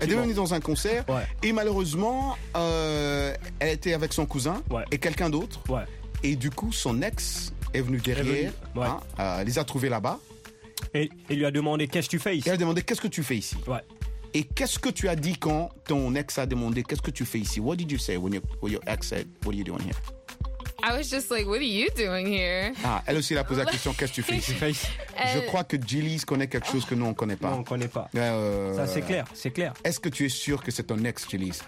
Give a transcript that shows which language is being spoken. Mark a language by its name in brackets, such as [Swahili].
[French] Elle devait venir dans un concert et malheureusement, elle était avec son cousin et quelqu'un d'autre. Ouais. Et du coup, son ex est venu derrière, les a trouvés là-bas. Et lui a demandé, qu'est-ce que tu fais ici? Elle a demandé, qu'est-ce que tu fais ici? Ouais. Et qu'est-ce que tu as dit quand ton ex a demandé qu'est-ce que tu fais ici? [English] What did you say when your ex said, what are you doing here? I was just like, what are you doing here? [French] Ah, elle aussi a posé la question, qu'est-ce que tu fais ici? Je crois que Jelly's connaît quelque chose que nous, on ne connaît pas. Non, on ne connaît pas. Ça, c'est clair, c'est clair. Est-ce que tu es sûr que c'est ton ex, Jelly's?